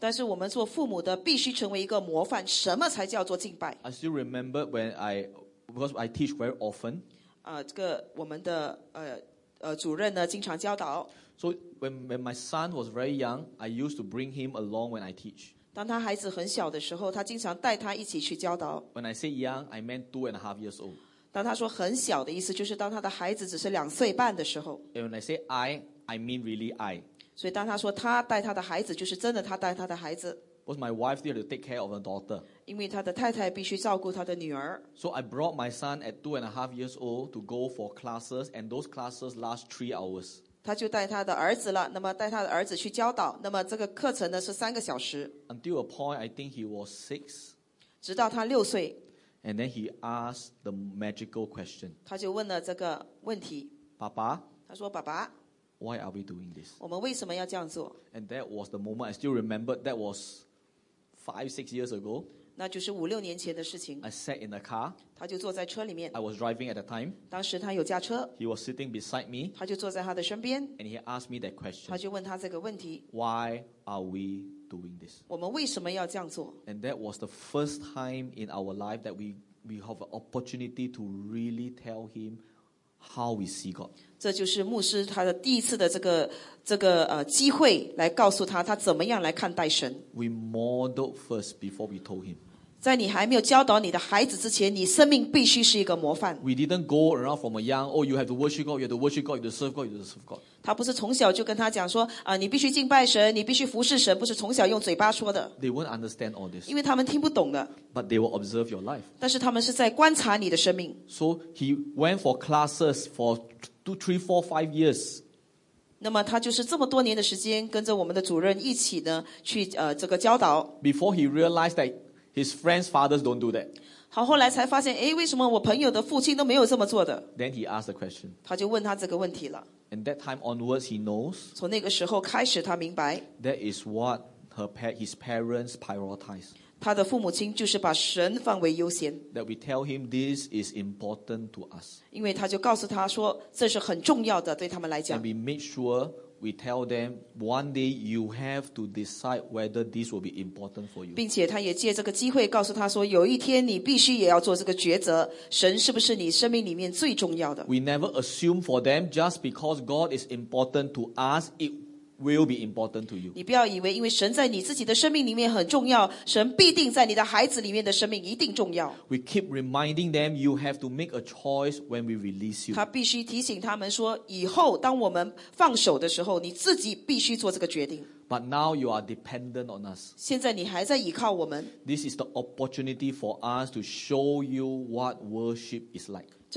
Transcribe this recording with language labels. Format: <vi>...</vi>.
<zh>但是我们做父母的, 必须成为一个模范, 什么才叫做敬拜。</zh> <en>I still remember when because I teach very often,</en> <zh>这个我们的主任呢经常教导。</zh> <en>So when my son was very young, I used to bring him along when I teach.</en> <zh>当他孩子很小的时候, 他经常带他一起去教导。</zh> <en>When I say young, I meant 2.5 years old.</en> <zh>当他说很小的意思, 就是当他的孩子只是2岁半的时候。</zh> <en>And when I say I mean really I.</en> <zh>所以当他说他带他的孩子, 就是真的他带他的孩子。</zh> <en>Because my wife needed to take care of her daughter.</en> <zh>因为她的太太必须照顾她的女儿。</zh> <en>So I brought my son at 2.5 years old to go for classes, and those classes last 3 hours.</en> <zh>她就带她的儿子了, 那么带她的儿子去教导, 那么这个课程呢, 是3个小时。</zh> <en>Until a point, I think he was 6.</en> <zh>直到他6岁。</zh> <en>And then he asked the magical question.</en> <zh>她就问了这个问题。爸爸。她说爸爸。</zh> <en>Why are we doing this?</en> <zh>我们为什么要这样做?</zh> <en>And that was the moment I still remember. That was 5-6 years ago.</en> <zh>那就是5-6年前的事情。</zh> <en>I sat in the car.</en> <zh>他就坐在车里面。</zh> <en>I was driving at the time.</en> <zh>当时他有驾车。</zh> <en>He was sitting beside me.</en> <zh>他就坐在他的身边。</zh> <en>And he asked me that question.</en> <zh>他就问他这个问题。</zh> <en>Why are we doing this?</en> <zh>我们为什么要这样做?</zh> <en>And that was the first time in our life that we have an opportunity to really tell him how we see God.</en> <zh>这就是牧师他的第一次的这个机会来告诉他他怎么样来看待神。</zh> <en>We modeled first before we told him.</en> <zh>在你还没有教导你的孩子之前，你生命必须是一个模范。</zh> <en>We didn't go around from a young, oh, you have to worship God, you have to worship God, you have to serve God, you have to serve God.</en> <zh>他不是从小就跟他讲说, 你必须敬拜神, 你必须服侍神, 不是从小用嘴巴说的。</zh> <en>They won't understand all this.</en> <zh>因为他们听不懂的。</zh> <en>But they will observe your life.</en> <zh>但是他们是在观察你的生命。</zh> <en>So he went for classes for 2, 3, 4, 5 years.</en> <zh>那么他就是这么多年的时间跟着我们的主任一起呢, 去, 这个教导。</zh> <en>Before he realized that his friends' fathers don't do that.</en> <zh>好,后来才发现, 诶, 为什么我朋友的父亲都没有这么做的?</zh> <en>Then he asked the question.</en> <zh>他就问他这个问题了。</zh> <en>And that time onwards, he knows.</en> <zh>从那个时候开始他明白,</zh> <en>that is what his parents prioritize.</en> <zh>他的父母亲就是把神放为优先。</zh> <en>That we tell him this is important to us.</en> <zh>因为他就告诉他说, 这是很重要的, 对他们来讲。</zh> <en>And we make sure we tell them, one day you have to decide whether this will be important for you.</en> <zh>并且他也借这个机会告诉他说, 有一天你必须也要做这个抉择, 神是不是你生命里面最重要的。</zh> <en>We never assume for them, just because God is important to us, it will be important to you.</en> <zh>你不要以为因为神在你自己的生命里面很重要, 神必定在你的孩子里面的生命一定重要。</zh> <en>We keep reminding them, you have to make a choice when we release you.</en> <zh>他必须提醒他们说, 以后当我们放手的时候, 你自己必须做这个决定。</zh> <en>But now you are dependent on us.</en> <zh>现在你还在依靠我们。</zh> <en>This is the opportunity for us to show you what worship is like.</en>